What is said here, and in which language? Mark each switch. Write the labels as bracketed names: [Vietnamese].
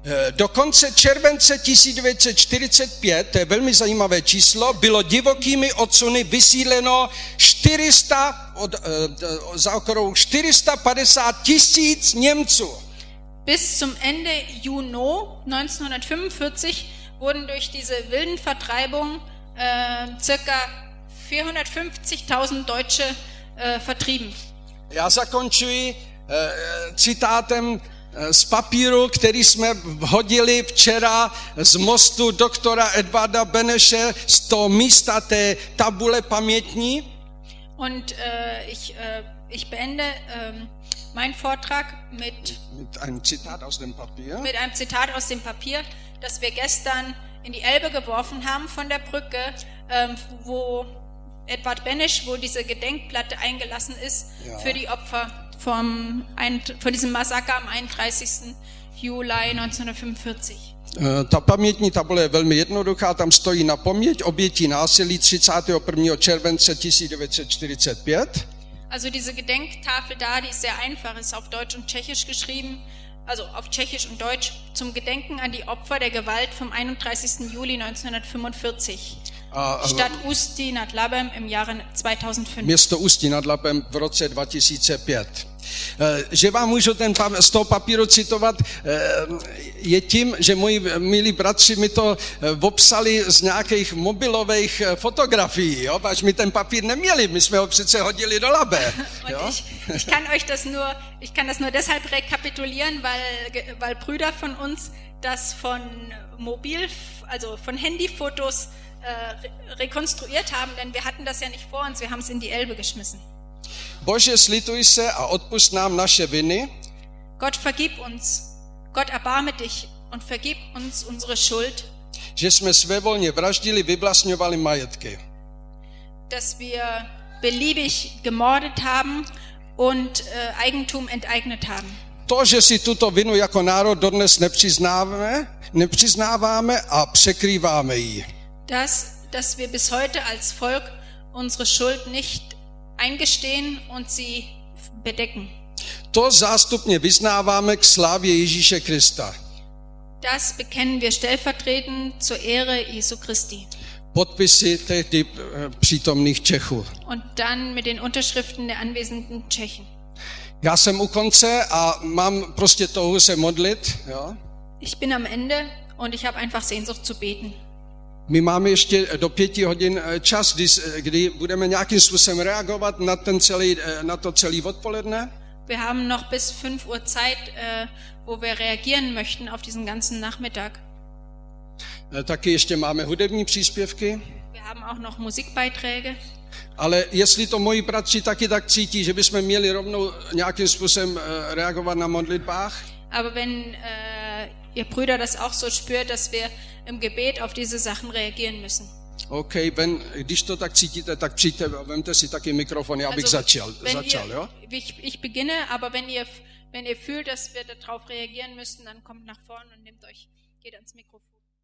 [Czech] Do konce července 1945, to je velmi zajímavé číslo, bylo divokými odsuny vysídleno 450 tisíc Němců. [German] Bis zum Ende Juni 1945 wurden durch diese wilden Vertreibung ca. 450.000 Deutsche vertrieben. [Czech] Já zakončuji citátem z papíru, který jsme hodili včera z mostu doktora Edvarda Beneše z toho místa té tabule pamětní. [German] Und ich beende meinen Vortrag mit einem Zitat aus dem Papier. Mit einem Zitat aus dem Papier, das wir gestern in die Elbe geworfen haben von der Brücke, wo Edvard Beneš, wo diese Gedenkplatte eingelassen ist für die Opfer von diesem Massaker am 31. Juli 1945. [Czech] Ta pamětní tabule je velmi jednoduchá, tam stojí na paměť obětí násilí 31. července 1945. [German] Also diese Gedenktafel da, die ist sehr einfach, ist auf Deutsch und Tschechisch geschrieben. Also auf Tschechisch und Deutsch zum Gedenken an die Opfer der Gewalt vom 31. Juli 1945. Stadt Ústí nad Labem im Jahre 2005. [Czech] Město Ústí nad Labem v roce 2005. Že vám můžu ten z toho papíru citovat, je tím, že moji milí bratři mi to opsali z nějakých mobilových fotografií, jo? Až my ten papír neměli, my jsme ho přece hodili do Labe. [German] Ich kann euch das nur, ich kann das nur deshalb rekapitulieren, weil Brüder von uns das von Mobil, also von Handyfotos rekonstruiert haben, denn wir hatten das ja nicht vor uns, wir haben es in die Elbe geschmissen. [Czech] Bože, slituj se a odpust nám naše viny. [German] Gott, vergib uns. Gott, erbarme dich und vergib uns unsere Schuld. [Czech] Že jsme svévolně vraždili, vyvlastňovali majetky. [German] Dass wir beliebig gemordet haben und Eigentum enteignet haben. [Czech] To, že si tuto vinu jako národ dodnes nepřiznáváme a překrýváme ji. [German] Dass wir bis heute als Volk unsere Schuld nicht eingestehen und sie bedecken. [Czech] To zástupně vyznáváme k slávě Ježíše Krista. [German] Das bekennen wir stellvertretend zur Ehre Jesu Christi. [Czech] Podpisy tehdy přítomných Čechů. [German] Und dann mit den Unterschriften der anwesenden Tschechen. [Czech] Já jsem u konce a mám prostě touhu se modlit, jo? [German] Ich bin am Ende und ich habe einfach Sehnsucht zu beten. [Czech] My máme ještě do 5 hodin čas, kdy budeme nějakým způsobem reagovat na ten celý, na to celý odpoledne. [German] Wir haben noch bis 5 Uhr Zeit, wo wir reagieren möchten auf diesen ganzen Nachmittag. [Czech] Taky ještě máme hudební příspěvky. [German] Wir haben auch noch Musikbeiträge. [Czech] Ale jestli to moji bratři taky tak cítí, že bychom měli rovnou nějakým způsobem reagovat na modlitbách. [German] Aber wenn ihr Brüder das auch so spürt, dass wir im Gebet auf diese Sachen reagieren müssen. [Czech] Okay, wenn když to tak cítíte, tak přijďte, vemte si taky mikrofon, já bych začal, jo? [German] Ich beginne, aber wenn ihr fühlt, dass wir darauf reagieren müssen, dann kommt nach vorne und nehmt euch, geht ans Mikrofon.